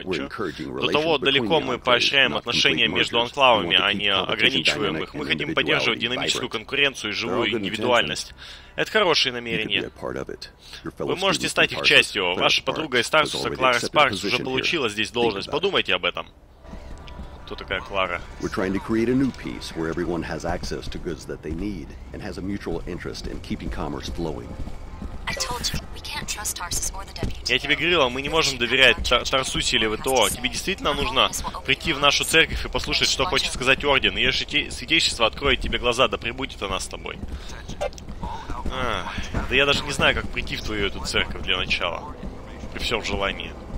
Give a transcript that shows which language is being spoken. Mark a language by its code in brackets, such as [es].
[ru] До того далеко мы поощряем отношения между анклавами, а не ограничиваем их. Мы хотим поддерживать динамическую конкуренцию и живую индивидуальность. Это хорошие намерения. Вы можете стать их частью. Ваша подруга из Старсуса, Клара Спаркс, уже получила здесь должность. Подумайте об этом. [en] We're trying to create a new peace where everyone has access to goods that they need and has a mutual interest in keeping commerce flowing. I told you we can't trust Tarsus or the WTO. [ru] Я тебе говорила, мы не можем доверять Тарсусе или ВТО. Тебе действительно нужно прийти в нашу церковь и послушать, что хочет сказать орден. Ее святейшество откроет тебе глаза, да пребудет она с тобой. Да я даже не знаю, как прийти в твою эту церковь для начала. При всем желании.